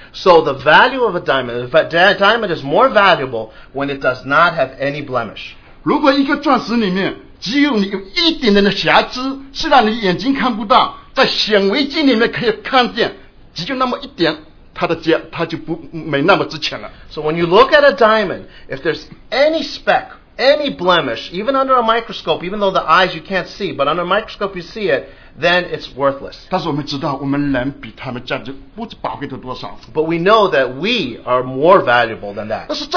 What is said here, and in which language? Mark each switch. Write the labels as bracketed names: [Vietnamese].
[English] So the value of a diamond, but diamond is more valuable when it does not have any blemish. [Chinese] 如果一个钻石里面只有你有一点点的瑕疵，是让你眼睛看不到，在显微镜里面可以看见。只就那么一点，它的价它就不没那么值钱了。 [English] So when you look at a diamond, if there's any speck, any blemish, even under a microscope, even though the eyes you can't see, but under a microscope you see it, then it's worthless. [Chinese] 但是我们知道，我们人比他们价值不知宝贵的多少。 [English] But we know that we are more valuable than that.